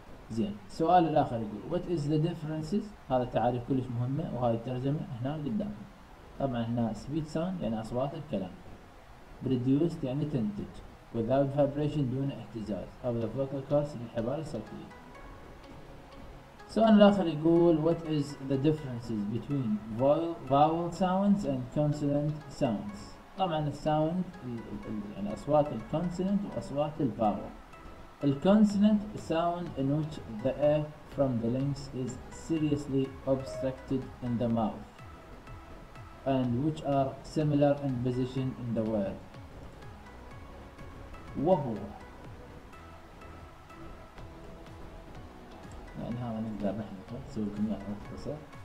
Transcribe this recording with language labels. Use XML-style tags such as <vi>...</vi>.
<ar>زين، سؤال الآخر يقول</ar> <en>what is the differences،</en> <ar>هذا تعريف كلش مهمة وهذا الترجمة هنا قدامه. طبعا هنا</ar> <en>speech sound</en> <ar>يعني أصوات الكلام،</ar> <en>produced</en> <ar>يعني تنتج،</ar> <en>without vibration</en> <ar>دون اهتزاز</ar> <en>of the vocal cords</en> <ar>للحبال الصوتية. سؤال الآخر يقول</ar> <en>what is the differences between vowel sounds and consonant sounds.</en> <ar>طبعا الساوند يعني أصوات الكونسوننت وأصوات الفاول.</ar> <en>الكونسوننت sound in which the air from the lungs is seriously obstructed in the mouth and which are similar in position in the word.</en> <ar>وهو يعني هذا نقدر نحن نسوي لكم اياه مختصر.</ar>